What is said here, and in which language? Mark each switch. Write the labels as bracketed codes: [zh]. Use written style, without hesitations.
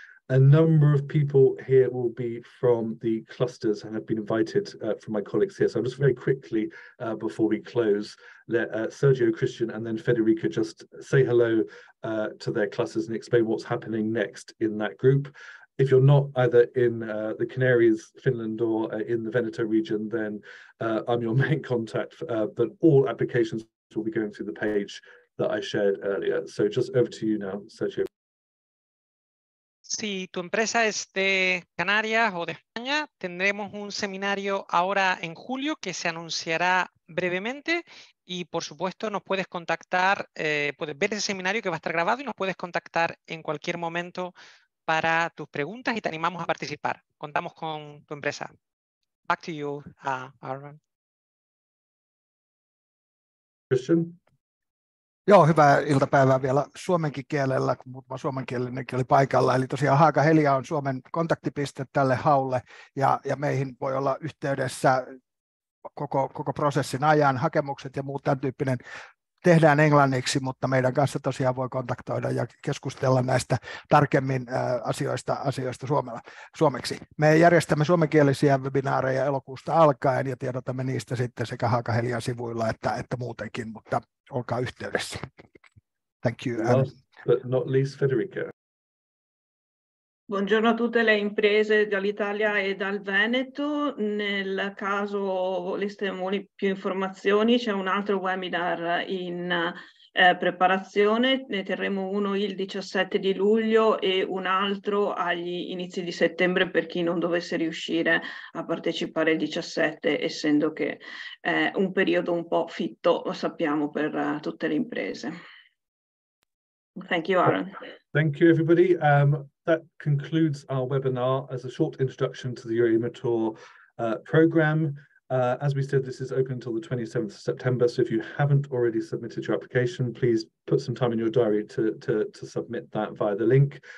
[en] A number of people here will be from the clusters and have been invited from my colleagues here. So I'll just very quickly, before we close, let Sergio, Kristian, and then Federica just say hello to their clusters and explain what's happening next in that group. If you're not either in the Canaries, Finland, or in the Veneto region, then I'm your main contact, but all applications will be going through the page that I shared earlier. So just over to you now, Sergio. [es] Si tu empresa es de Canarias o de España, tendremos un seminario ahora en julio que se anunciará brevemente y, por supuesto, nos puedes contactar, puedes ver ese seminario que va a estar grabado y nos puedes contactar en cualquier momento para tus preguntas y te animamos a participar. Contamos con tu empresa. [en] Back to you, [es] Arran. [en] Kristian. [fi] Joo, hyvää iltapäivää vielä suomenkin kielellä, kun muutama suomenkielinenkin oli paikalla. Eli tosiaan HAAGA-HELIA on Suomen kontaktipiste tälle haulle, ja meihin voi olla yhteydessä koko prosessin ajan, hakemukset ja muut tämän tyyppinen tehdään englanniksi, mutta meidän kanssa tosiaan voi kontaktoida ja keskustella näistä tarkemmin asioista suomeksi. Me järjestämme suomenkielisiä webinaareja elokuusta alkaen ja tiedotamme niistä sitten sekä HAAGA-HELIAn sivuilla että muutenkin, mutta olkaa yhteydessä. [en] Thank you. Last but not least, Federica. [it] Buongiorno a tutte le imprese dall'Italia e dal Veneto. Nel caso voleste più informazioni, c'è un altro webinar in preparazione. Ne terremo uno il 17 di luglio e un altro agli inizi di settembre per chi non dovesse riuscire a partecipare il 17, essendo che è un periodo un po' fitto, lo sappiamo, per tutte le imprese. [en] Thank you, Arran. Thank you, everybody. That concludes our webinar as a short introduction to the Euro-Emotur program. As we said, this is open until the 27th of September. So if you haven't already submitted your application, please put some time in your diary to submit that via the link.